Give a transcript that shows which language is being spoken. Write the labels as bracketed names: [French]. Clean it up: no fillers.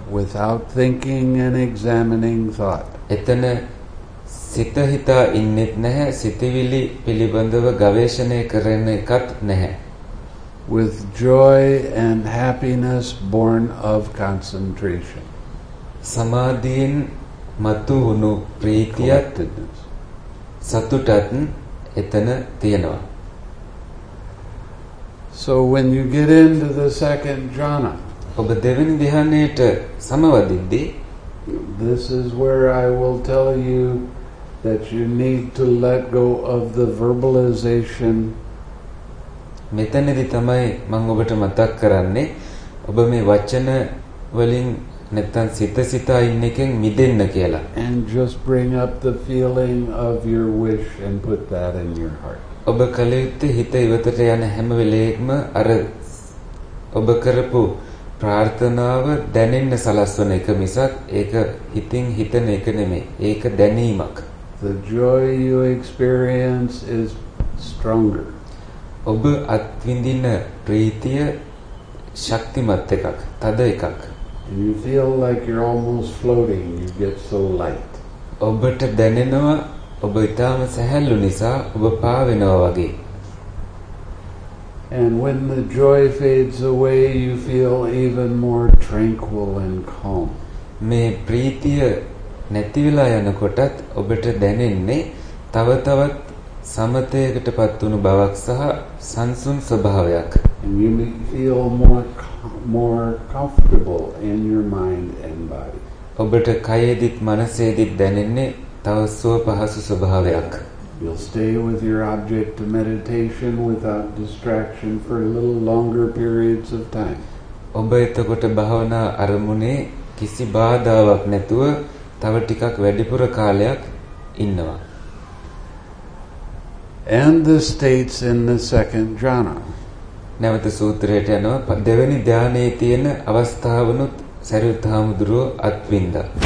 [English] Without thinking and examining thought. [Sinhala] Etana සිත හිතා ඉන්නෙත් නැහැ සිතවිලි පිළිබඳව ගවේෂණය කරන එකත් නැහැ [English] With joy and happiness born of concentration [Sinhala] සමාධියෙන් මතුවුණු ප්‍රීතියත් සතුටත් එතන තියෙනවා [English] So when you get into the second jhana [Sinhala] ඔබ දෙවෙනි ධ්‍යානයට සමවදින්දී [English] This is where I will tell you that you need to let go of the verbalization [Sinhala] මෙතනදි තමයි මම ඔබට මතක් කරන්නේ ඔබ මේ වචන වලින් නැත්තම් සිත සිතා ඉන්න එකෙන් මිදෙන්න කියලා [English] and just bring up the feeling of your wish and put that in your heart [Sinhala] ඔබ කලෙත් හිත ඉවතට යන හැම වෙලෙකම අර ඔබ කරපු ප්‍රාර්ථනාව දැනෙන්න සලස්වන එක මිසක් ඒක හිතින් හිතන එක නෙමෙයි ඒක දැනීමක් [English] The joy you experience is stronger. [Sinhala] ඔබ අත්විඳින ප්‍රීතිය ශක්තිමත් එකක්, තද එකක්. [English] You feel like you're almost floating. You get so light. [Sinhala] ඔබට දැනෙනවා ඔබ ඉතාම සැහැල්ලු නිසා ඔබ පාවෙනවා වගේ. [English] And when the joy fades away, you feel even more tranquil and calm. [Sinhala] මේ ප්‍රීතිය නැති වෙලා යනකොටත් ඔබට දැනෙන්නේ තව තවත් සමතයකටපත් වුණු බවක් සහ සංසුන් ස්වභාවයක්. [English] You feel more comfortable in your mind and body. [Sinhala] ඔබට කයෙදිත් මනසෙදිත් දැනෙන්නේ තව සුව පහසු ස්වභාවයක්. [English] You'll stay with your object to meditation without distraction for a little longer periods of time. [Sinhala] ඔබ එතකොට භාවනා අරමුණේ කිසි බාධාවක් නැතුව තව ටිකක් වැඩිපුර කාලයක් ඉන්නවා. [English] And the states in the second jhana. [Sinhala] නැවත සූත්‍රයට යනවා දෙවෙනි ධානයේ තියෙන අවස්ථාවනොත් සරිත්තාමුදුරුව අත්විඳා.